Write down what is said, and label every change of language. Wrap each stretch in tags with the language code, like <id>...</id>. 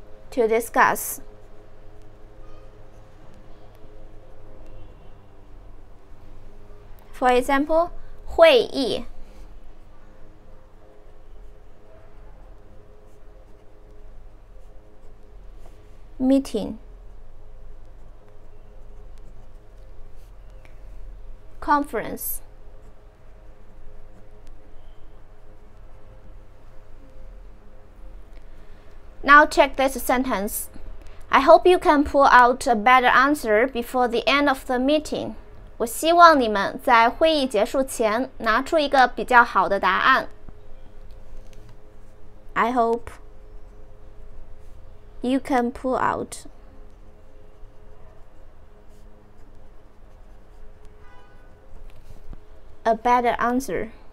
<en>To discuss, for example, 会议 meeting, conference. Now check this sentence. I hope you can pull out a better answer before the end of the meeting.</en> <zh>我希望你们在会议结束前拿出一个比较好的答案。</zh> <en>I hope you can pull out a better answer.</en>